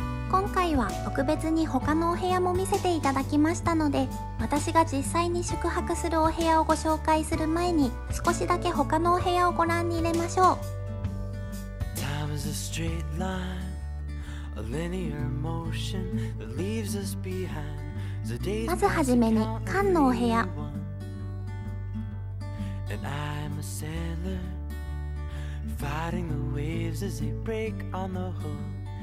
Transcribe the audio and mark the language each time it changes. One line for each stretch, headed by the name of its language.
Japanese: 今回は特別に他のお部屋も見せていただきましたので、私が実際に宿泊するお部屋をご紹介する前に、少しだけ他のお部屋をご覧に入れましょう。
English: Time is a straight line, a linear motion that leaves us behind. The day
Japanese: まずはじめに館のお部屋。
English: And I'm a sailor fighting the waves as they break on the hull.